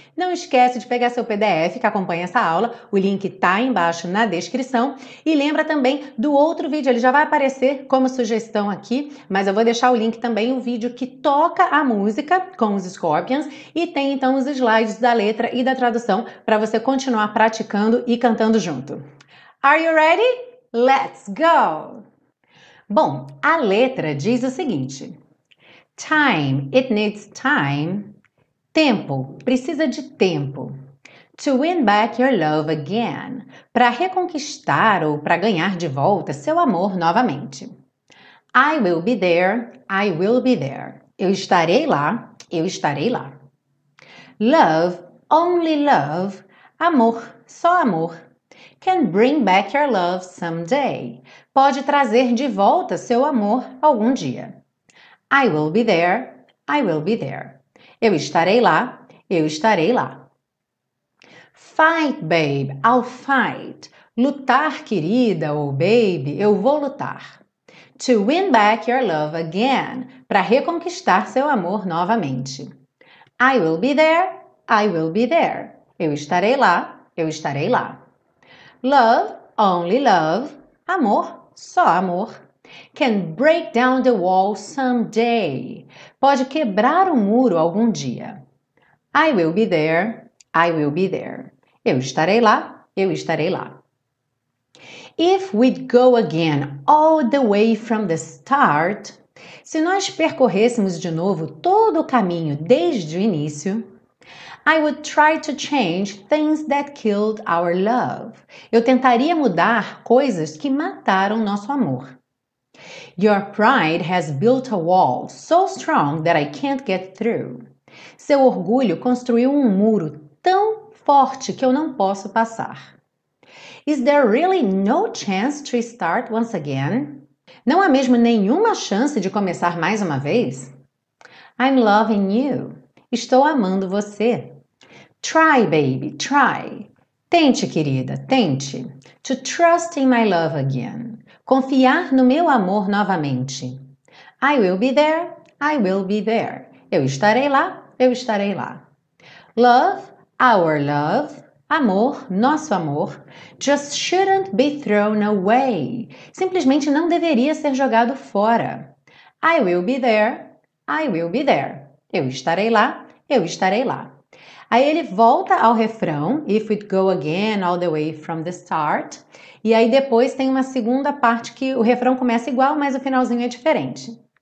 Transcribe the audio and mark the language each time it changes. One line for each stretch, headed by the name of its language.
Portuguese: Não esquece de pegar seu PDF que acompanha essa aula, o link tá aí embaixo na descrição, e lembra também do outro vídeo, ele já vai aparecer como sugestão aqui, mas eu vou deixar o link também, o vídeo que toca a música com os Scorpions e tem então os slides da letra e da tradução para você continuar praticando e cantando junto.
English: Are you ready? Let's go!
Portuguese: Bom, a letra diz o seguinte:
English: Time, it needs time.
Portuguese: Tempo, precisa de tempo.
English: To win back your love again.
Portuguese: Para reconquistar ou para ganhar de volta seu amor novamente.
English: I will be there, I will be there.
Portuguese: Eu estarei lá, eu estarei lá.
English: Love, only love.
Portuguese: Amor, só amor.
English: Can bring back your love someday.
Portuguese: Pode trazer de volta seu amor algum dia.
English: I will be there, I will be there.
Portuguese: Eu estarei lá, eu estarei lá.
English: Fight, babe, I'll fight.
Portuguese: Lutar, querida, ou baby, eu vou lutar.
English: To win back your love again,
Portuguese: para reconquistar seu amor novamente.
English: I will be there, I will be there.
Portuguese: Eu estarei lá, eu estarei lá.
English: Love, only love.
Portuguese: Amor, só amor.
English: Can break down the wall someday.
Portuguese: Pode quebrar um muro algum dia.
English: I will be there, I will be there.
Portuguese: Eu estarei lá, eu estarei lá.
English: If we'd go again all the way from the start,
Portuguese: se nós percorrêssemos de novo todo o caminho desde o início,
English: I would try to change things that killed our love.
Portuguese: Eu tentaria mudar coisas que mataram nosso amor.
English: Your pride has built a wall so strong that I can't get through.
Portuguese: Seu orgulho construiu um muro tão forte que eu não posso passar.
English: Is there really no chance to start once again?
Portuguese: Não há mesmo nenhuma chance de começar mais uma vez?
English: I'm loving you.
Portuguese: Estou amando você.
English: Try, baby, try.
Portuguese: Tente, querida, tente.
English: To trust in my love again.
Portuguese: Confiar no meu amor novamente.
English: I will be there, I will be there.
Portuguese: Eu estarei lá, eu estarei lá.
English: Love, our love.
Portuguese: Amor, nosso amor.
English: Just shouldn't be thrown away.
Portuguese: Simplesmente não deveria ser jogado fora.
English: I will be there, I will be there.
Portuguese: Eu estarei lá, eu estarei lá. Aí ele volta ao refrão,
English: if we'd go again all the way from the start.
Portuguese: E aí depois tem uma segunda parte que o refrão começa igual, mas o finalzinho é diferente.